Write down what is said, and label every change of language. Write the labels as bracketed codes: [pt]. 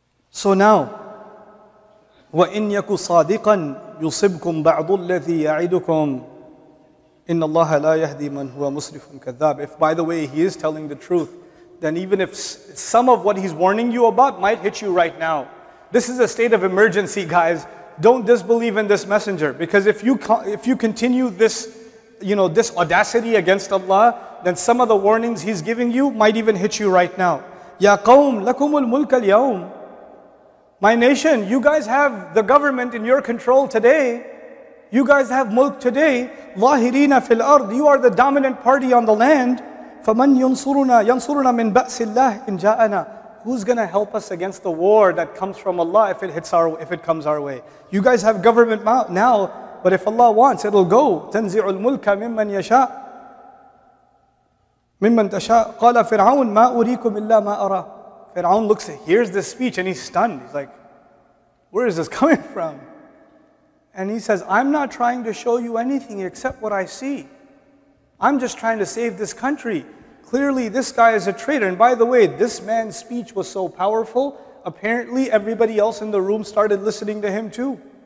[en] So now, [ar] وَإِنْ يَكُ صَادِقًا يُصِبْكُمْ بَعْضُ الَّذِي يَعِدُكُمْ. إِنَّ اللَّهَ لَا يَهْدِي مَنْ هُوَ مُسْرِفٌ كَذَّابٌ. [en] If, by the way, he is telling the truth, then even if some of what he's warning you about might hit you right now. This is a state of emergency, guys. Don't disbelieve in this messenger. Because if you continue this, you know, this audacity against Allah, then some of the warnings he's giving you might even hit you right now. [ar] يَا قَوْمْ لَكُمُ الْمُلْكَ الْيَوْمِ. [en] My nation, you guys have the government in your control today. You guys have mulk today. [ar] ظاهرين في الأرض. [en] You are the dominant party on the land. [ar] فمن ينصرنا ينصرنا من بأس الله إن جاءنا. [en] Who's gonna help us against the war that comes from Allah if it comes our way? You guys have government now, but if Allah wants, it'll go. [ar] تنزع الملك ممن يشاء ممن تشاء. قال فرعون ما أريكم إلا ما أرى. [en] Fir'aun looks at, hears this speech, and he's stunned. He's like, where is this coming from? And he says, I'm not trying to show you anything except what I see. I'm just trying to save this country. Clearly, this guy is a traitor. And by the way, this man's speech was so powerful, apparently everybody else in the room started listening to him too.